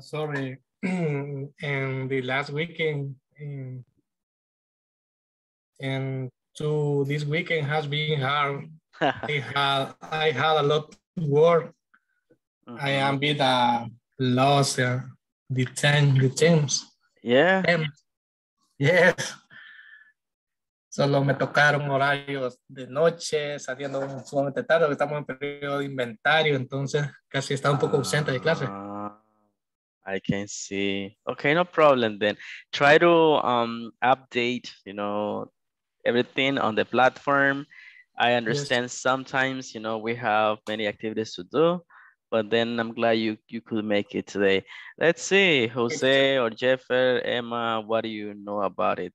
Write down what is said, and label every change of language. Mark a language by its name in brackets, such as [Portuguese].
[English] Sorry, in the last weekend, and to this weekend has been hard. I had a lot of work. Mm-hmm. I am a bit lost the teams. Yeah. Yes. [Spanish] Solo me tocaron horarios de noche, saliendo sumamente tarde, porque estamos en periodo de inventario, entonces casi está un poco ausente de clase. [English] I can see. Okay, no problem then. Try to update, you know, everything on the platform. I understand sometimes, you know, we have many activities to do, but then I'm glad you could make it today. Let's see, Jose or Jeffer, Emma, what do you know about it?